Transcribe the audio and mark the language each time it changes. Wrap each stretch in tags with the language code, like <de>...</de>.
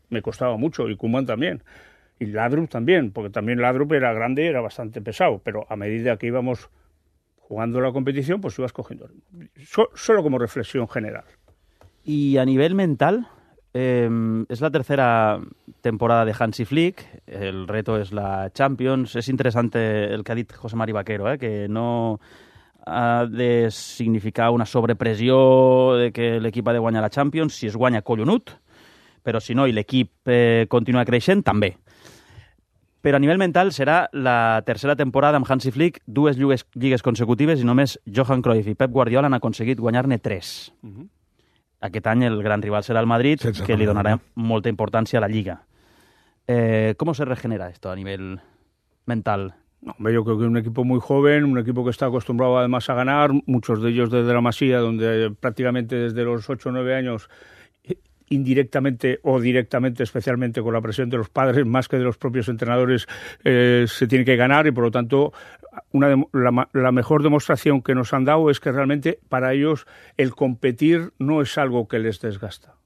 <es>Me costaba mucho, y Koeman también. Y Laudrup también, porque también Laudrup era grande y era bastante pesado. Pero a medida que íbamos jugando la competición, pues ibas cogiendo. Solo como reflexión general. Y a nivel mental, es la tercera temporada de Hansi Flick. El reto es la Champions. Es interesante el que ha dicho</es> <ca>José Mari Vaquero, que no ha de significar una sobrepresió de que l'equip ha de guanyar la Champions, si es guanya collonut, però si no i l'equip continua creixent, també. Però a nivell mental serà la tercera temporada amb Hansi Flick, dues lligues consecutives i només Johan Cruyff i Pep Guardiola han aconseguit guanyar-ne tres. Uh-huh. Aquest any el gran rival serà el Madrid, sense que li donarà molta importància a la Lliga. Com se regenera això a nivell mental?</ca> <es>Hombre, yo creo que un equipo muy joven, un equipo que está acostumbrado además a ganar, muchos de ellos desde la Masía, donde prácticamente desde los 8 o 9 años, indirectamente o directamente, especialmente con la presión de los padres, más que de los propios entrenadores, se tiene que ganar y por lo tanto la mejor demostración que nos han dado es que realmente para ellos el competir no es algo que les desgasta.</es>